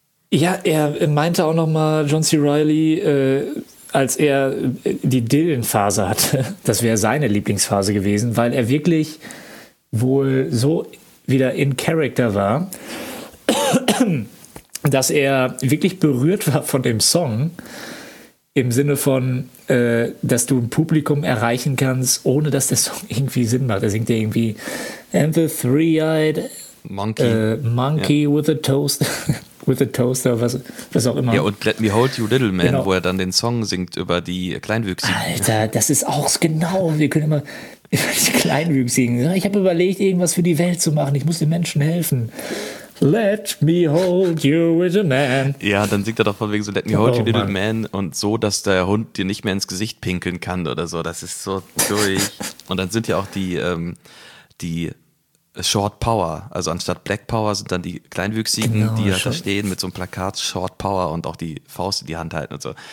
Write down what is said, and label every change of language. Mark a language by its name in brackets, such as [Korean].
[German] Ja, er meinte auch noch mal, John C. Reilly, als er die Dylan-Phase hatte, das wäre seine Lieblingsphase gewesen, weil er wirklich wohl so wieder in Character war, dass er wirklich berührt war von dem Song, im Sinne von, dass du ein Publikum erreichen kannst, ohne dass der Song irgendwie Sinn macht. Er singt ja irgendwie And the Three-Eyed [English] Monkey yeah. with a Toast with a Toaster, [German] was auch immer. Ja, und Let Me Hold You Little Man, genau. Wo er dann den Song singt über die Kleinwüchsigen. Alter, das ist auch genau, wir können immer über die Kleinwüchsigen. Ich habe überlegt, irgendwas für die Welt zu machen. Ich muss den Menschen helfen. [English] Let me hold you with a man. [German] Ja, dann singt er doch von wegen so, [English] let me hold you little man. [German] Und so, dass der Hund dir nicht mehr ins Gesicht pinkeln kann oder so. Das ist so durch. Und dann sind ja auch die Short Power. Also anstatt Black Power sind dann die Kleinwüchsigen, genau, die da stehen mit so einem Plakat Short Power und auch die Faust in die Hand halten und so.